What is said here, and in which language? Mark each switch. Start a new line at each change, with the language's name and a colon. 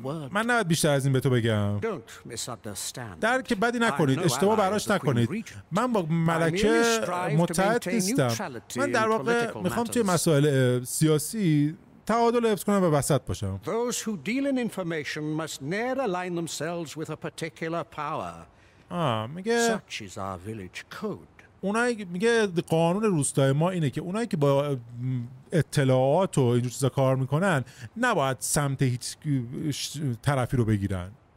Persian: من نباید بیشتر از این به تو بگم. درک بدی نکنید، اشتباه برداشت نکنید. من با ملکه متحد نیستم. من در واقع میخوام توی مسائل سیاسی تعادل حفظ کنم و وسط باشم.
English: Those who deal in information must never align themselves with a particular power.
Persian: میگه
English: such is our village code.
Persian: اونایی که میگه قانون روستای ما اینه که اونایی که با اطلاعات و اینجور چیزا کار میکنن نباید سمت هیچ طرفی رو بگیرن.